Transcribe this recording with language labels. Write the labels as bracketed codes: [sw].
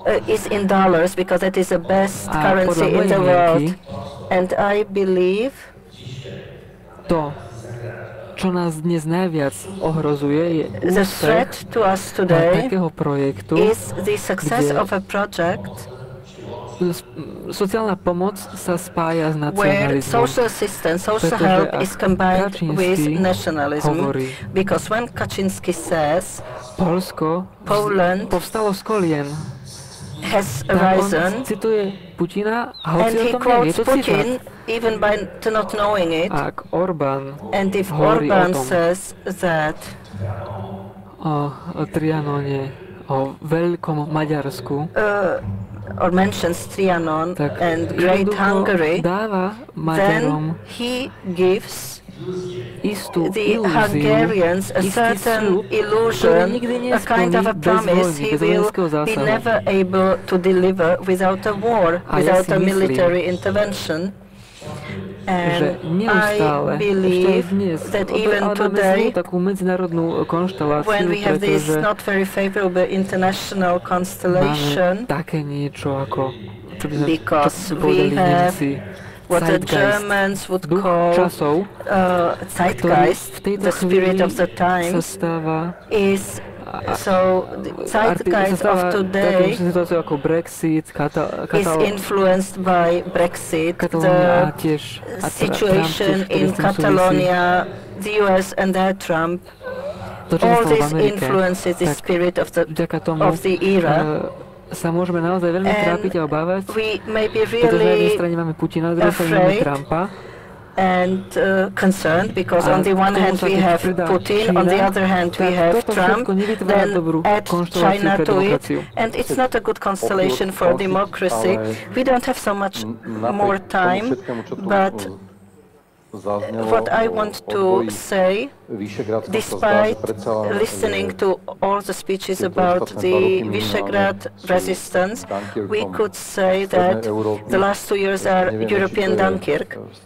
[en] Is in dollars, because that is the best currency in the world. And I believe [sk] to, čo nás dnes najviac ohrozuje, je [en] the threat to us today [sk] takého projektu, [en] is the success of a project [sk] sociálna pomoc sa spája s nacionalizmom. [en] Social assistance, social help is combined with nationalism. Because when Kaczynski says [sk] Polsko [en] Poland [sk] povstalo z kolien, [en] has arisen, [sk] cituje Putina, [en] and he quotes Putin even by not knowing it. And if Orban says that [sk] o Trianone, o Veľkom Maďarsku, [en] or mentions Trianon and Great Hungary, then he gives the Hungarians a certain illusion, a kind of a promise he will be never able to deliver without a war, without a military intervention. And I believe that even today, when we have this not very favorable international constellation, because we have what the Germans would call Zeitgeist, the spirit of the times, is so the Zeitgeist of today is influenced by Brexit, the situation in Catalonia, the US and their Trump. All this influences the spirit of the era. [sk] Sa môžeme naozaj veľmi trápiť a obávať, [en] really [sk] pretože na jednej strane máme Putina, na druhej strane máme Trumpa. [en] and concerned, because on the one hand we have Putin, on the other hand we have Trump, then add China to it, and it's not a good constellation for democracy. We don't have so much more time, but what I want to say, despite listening to all the speeches about the Visegrad resistance, we could say that the last 2 years are European Dunkirk.